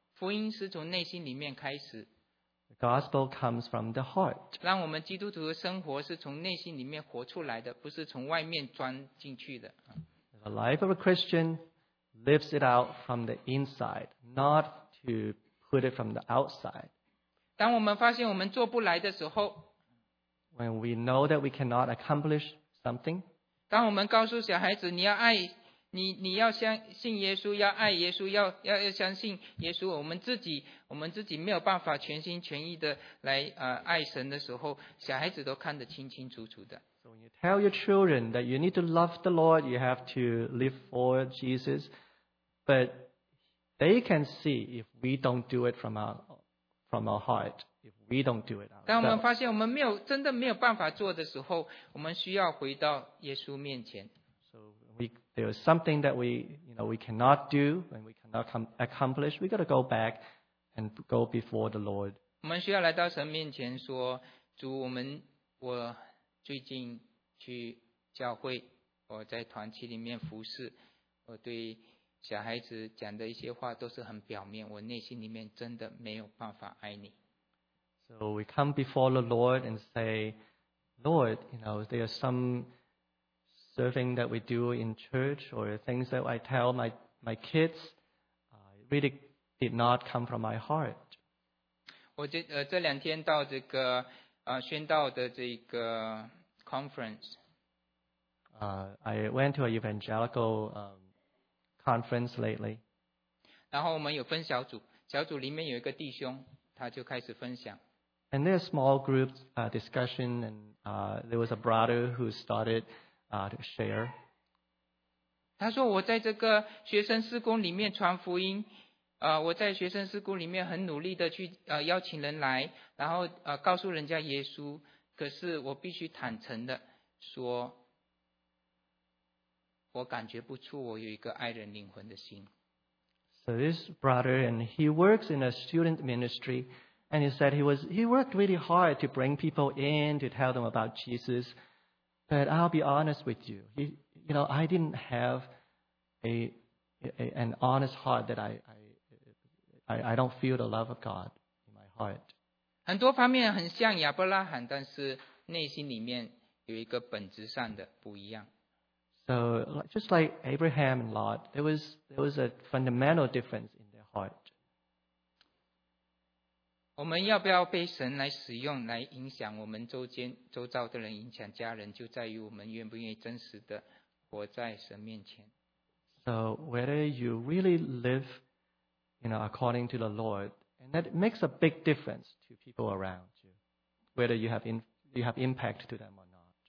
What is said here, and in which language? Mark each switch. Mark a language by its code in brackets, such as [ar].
[zh] 福音是从内心里面开始。 [en] The gospel comes from the heart. [zh] 让我们基督徒的生活是从内心里面活出来的，不是从外面钻进去的。 [en] The life of a Christian lives it out from the inside, not to put it from the outside. [zh] 当我们发现我们做不来的时候， [en] When we know that we cannot accomplish something, [zh] 当我们告诉小孩子你要爱你要相信耶稣，要爱耶稣，要相信耶稣，我们自己没有办法全心全意的来爱神的时候，小孩子都看得清清楚楚的。 [en] So when you tell your children that you need to love the Lord, you have to live for Jesus, but they can see if we don't do it from our heart, if we don't do it ourselves. [zh] 当我们发现我们没有真的没有办法做的时候，我们需要回到耶稣面前。 [en] So there is something that we, you know, we cannot do and we cannot accomplish, we got to go back and go before the Lord. [zh] 我们需要来到神面前说，主，我最近去教会，我在团契里面服侍，我对小孩子讲的一些话都是很表面，我内心里面真的没有办法爱你。 [en] So we come before the Lord and say, Lord, you know, there are some serving that we do in church or things that I tell my kids, it really did not come from my heart. [zh] 我这两天到这个宣道的这个conference. [en] I went to an evangelical conference lately. [zh] 然后我们有分小组，小组里面有一个弟兄，他就开始分享。 [en] And there's a small group discussion, and there was a brother who started to share. [zh] 他说我在这个学生事工里面传福音，我在学生事工里面很努力的去邀请人来，然后告诉人家耶稣。可是我必须坦诚的说，我感觉不出我有一个爱人灵魂的心。 [en] So this brother, and he works in a student ministry, and he said he worked really hard to bring people in to tell them about Jesus. But I'll be honest with you, you know, I didn't have an honest heart that I don't feel the love of God in my heart. [zh] 很多方面很像亚伯拉罕，但是内心里面有一个本质上的不一样。 [en] So just like Abraham and Lot, there was a fundamental difference in their heart. [zh] 我们要不要被神来使用，来影响我们周遭的人，影响家人，就在于我们愿不愿意真实的活在神面前。 [en] So whether you really live, you know, according to the Lord. And that makes a big difference to people around you, whether you have impact to them or not.